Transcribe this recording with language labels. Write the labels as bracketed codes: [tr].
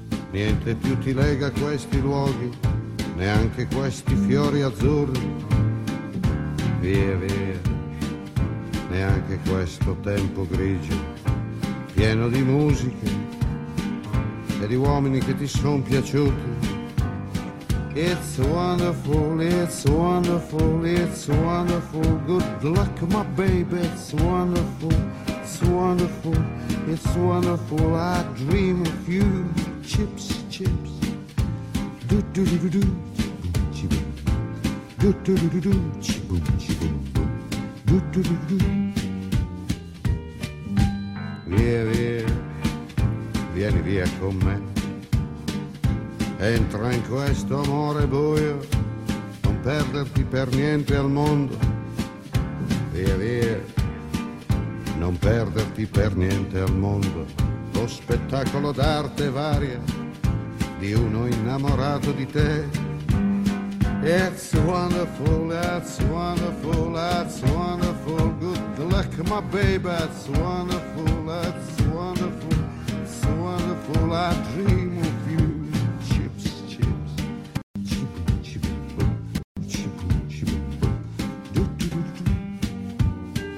[it] Niente più ti lega a questi luoghi, neanche questi fiori azzurri. Via, via, neanche questo tempo grigio, pieno di musiche e di uomini che ti son piaciuti. [en] It's wonderful, it's wonderful, it's wonderful, good luck my baby, it's wonderful, it's wonderful, it's wonderful, I dream of you, chips, chips, do do do do do, chibum, chibum, do do do do do, chibum, chibum, do do do do. [it] Via, via, vieni via con me, entra in questo amore buio, non perderti per niente al mondo. Via, via, non perderti per niente al mondo, lo spettacolo d'arte varia di uno innamorato di te. [en] It's wonderful, that's wonderful, that's wonderful, good luck my baby, it's wonderful, that's wonderful, it's wonderful, I dream of you, chips, chips, chip, chip, chip, chip, do do do do.